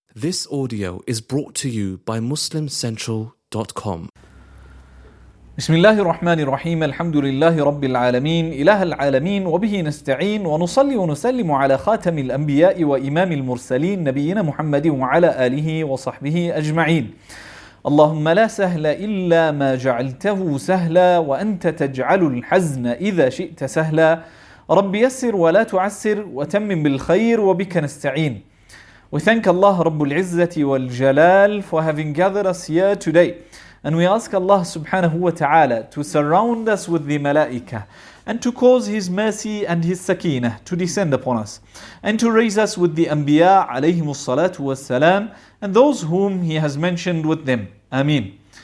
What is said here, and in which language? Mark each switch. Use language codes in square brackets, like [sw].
[en] This audio is brought to you by MuslimCentral.com. [ar] بسم الله الرحمن الرحيم الحمد لله رب العالمين إله العالمين وبه نستعين ونصلي ونسلم على خاتم الأنبياء وإمام المرسلين نبينا محمد وعلى آله وصحبه أجمعين. اللهم لا سهل إلا ما جعلته سهلا وأنت تجعل الحزن إذا شئت سهلا. رب يسر ولا تعسر وتمم بالخير وبك نستعين. [en] We thank Allah Rabbul Izzati wal Jalal for having gathered us here today. And we ask Allah subhanahu wa ta'ala to surround us with the malaika and to cause His mercy and His sakinah to descend upon us and to raise us with the anbiya alayhimu salatu wa salam and those whom He has mentioned with them. Ameen.